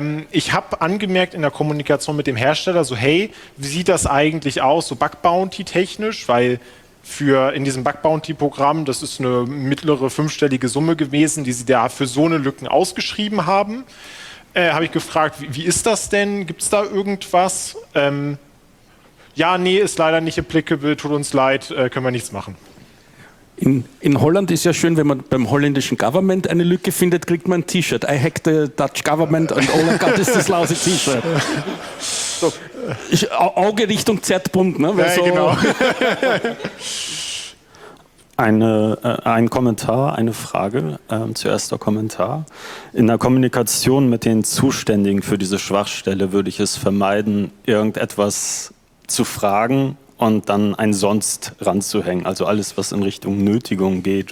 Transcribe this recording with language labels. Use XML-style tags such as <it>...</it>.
<de>Ich habe angemerkt in der Kommunikation mit dem Hersteller, so hey, wie sieht das eigentlich aus, so Bug-Bounty-technisch, weil in diesem Bug-Bounty-Programm, das ist eine mittlere 5-stellige Summe gewesen, die sie da für so eine Lücken ausgeschrieben haben. Habe ich gefragt, wie ist das denn? Gibt es da irgendwas? Ist leider nicht applicable, tut uns leid, können wir nichts machen. In Holland ist ja schön, wenn man beim holländischen Government eine Lücke findet, kriegt man ein T-Shirt.</de> <en>I hacked the Dutch government and all I got is this lousy T-Shirt.</en> <de>So. Auge Richtung Z-Punkt, ne? Ja, so genau. ein Kommentar, eine Frage, zuerst der Kommentar. In der Kommunikation mit den Zuständigen für diese Schwachstelle würde ich es vermeiden, irgendetwas zu fragen und dann ein Sonst ranzuhängen, also alles, was in Richtung Nötigung geht.</de>